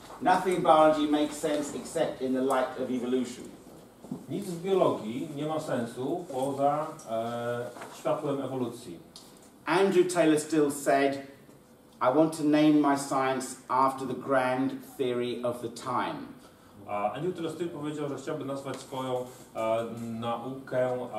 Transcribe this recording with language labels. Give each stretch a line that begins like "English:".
English: Nothing in biology makes sense except in the light of evolution.
Polish: Nic w biologii nie ma sensu poza światłem ewolucji.
English: Andrew Taylor Still said, I want to name my science after the grand theory of the time.
Polish: Andrew Taylor Still powiedział, że chciałby nazwać swoją naukę